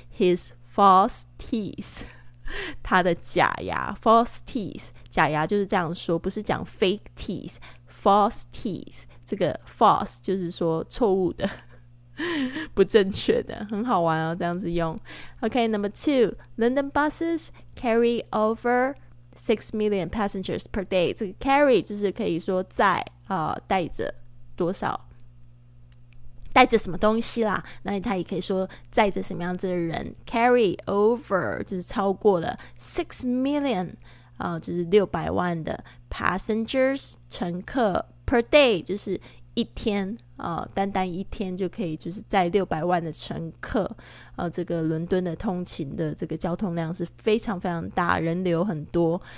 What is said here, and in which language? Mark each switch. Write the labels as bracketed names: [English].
[English] His false teeth, [Chinese] 他的假牙 ,false teeth, 假牙就是这样说，不是讲 [English] fake teeth, [Chinese] false teeth, 这个 false 就是说错误的不正确的，很好玩哦，这样子用。 [English] OK, number two, London buses carry over 6 million passengers per day, [Chinese] 这个 carry 就是可以说载带着多少。带着什么东西啦，那他也可以说载着什么样子的人。 carry over 就是超过了 6 million、就是600万的 passengers 乘客 per day 就是一天、单单一天就可以就是载600万的乘客、这个伦敦的通勤的这个交通量是非常非常大，人流很多。